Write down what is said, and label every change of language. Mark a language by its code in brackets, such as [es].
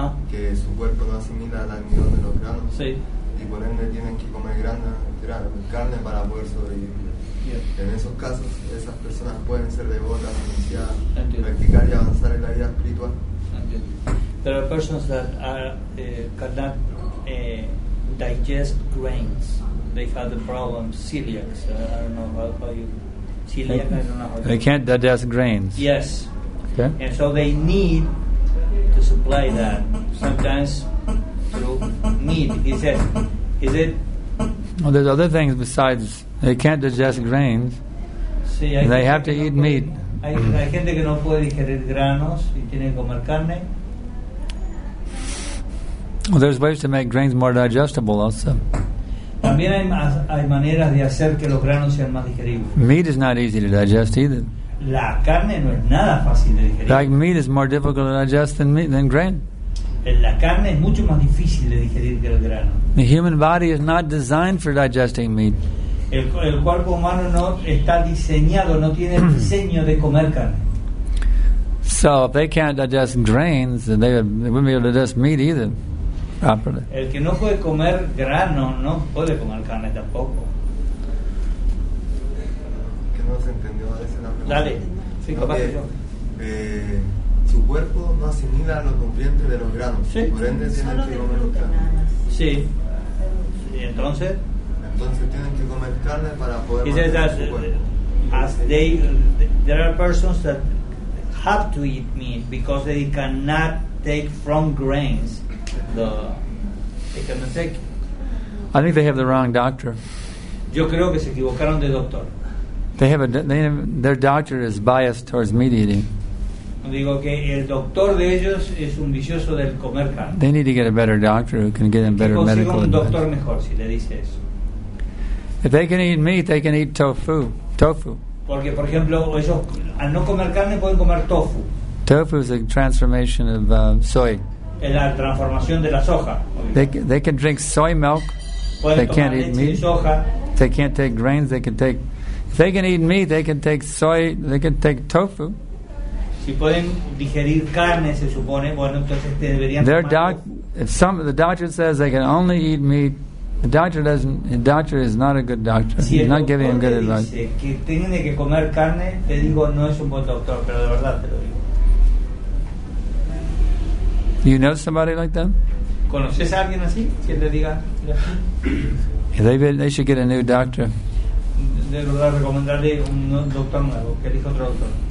[es] Que su cuerpo no asimila el almidón de los granos, sí. Y por ende tienen que comer carne para poder sobrevivir. [en] Yeah. [es] En esos casos, esas personas pueden ser devotas, iniciadas, practicar y avanzar en la vida espiritual. [en] There are persons that are cannot digest grains. They have the problem celiacs. I don't know how you. They can't digest grains. Yes. Okay. And so they need to supply that sometimes through meat. Is it? Well, there's other things besides they can't digest grains. [es] Sí, [en] they have to eat meat. [es] Hay gente que no puede digerir granos y tiene que comer carne. [en] Well, there's ways to make grains more digestible also. [es] También hay maneras de hacer que los granos sean más digeribles. [en] Meat is not easy to digest either. [es] La carne no es nada fácil de digerir. [en] Like meat is more difficult to digest than grain. [es] La carne es mucho más difícil de digerir que el grano. [en] The human body is not designed for digesting meat. [es] El cuerpo humano no está diseñado, no tiene el diseño de comer carne. [en] So if they can't digest grains, then they wouldn't be able to digest meat either. Properly. [es] El que no puede comer grano no puede comer carne tampoco. Que no se entendió a veces la pregunta. Dale, sí, capaz que yo. Su cuerpo no asimila los nutrientes de los granos. Sí. Por ende, sí. Tienen que comer carne. Sí. ¿Y entonces? Entonces tienen que comer carne para poder comer carne. [en] There are persons that have to eat meat because they cannot take from grains. I think they have the wrong doctor. [es] Yo creo que se equivocaron de doctor. [en] Their doctor is biased towards meat eating. [es] Digo que el doctor de ellos es un vicioso del comer carne. [en] They need to get a better doctor who can get them better medical advice. [es] Un doctor mejor si le dice eso. [en] If they can eat meat, they can eat tofu. [es] Porque por ejemplo ellos al no comer carne pueden comer tofu. [en] Tofu is a transformation of soy. [es] En la transformación de la soja. [en] They can drink soy milk. [es] Pueden [en] they can't eat meat. [es] Soja. [en] They can't take grains. They can take. If they can eat meat, they can take soy. They can take tofu. [es] Si pueden digerir carne, se supone. Bueno, entonces te deberían. [en] Their doc, if some the doctor says they can only eat meat, the doctor is not a good doctor. [es] Si [en] he's not giving him good advice. [es] Si que tiene que comer carne, te digo no es un buen doctor, pero de verdad te lo digo. [en] You know somebody like them? [es] ¿Conoces a alguien así? Que le diga. [en] Yeah, they should get a new doctor. [es] De verdad recomendarle un doctor nuevo, que elija otro doctor.